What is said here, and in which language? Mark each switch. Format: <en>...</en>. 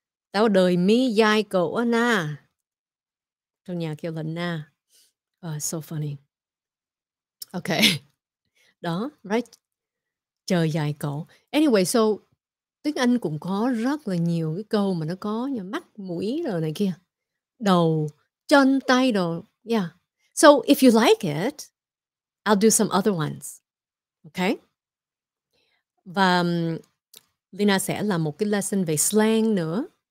<vi>Tao đời mi dai cổ á na, trong nhà kêu là na.</vi> <en>So funny.</en> <vi>Ok, đó, right, trời dài cổ. Anyway, so tiếng Anh cũng có rất là nhiều cái câu mà nó có như mắt, mũi rồi này kia, đầu, chân, tay rồi.</vi> <en>Yeah. So if you like it, I'll do some other ones. Okay?</en> <vi>Và Leyna sẽ làm một cái lesson về slang nữa.</vi>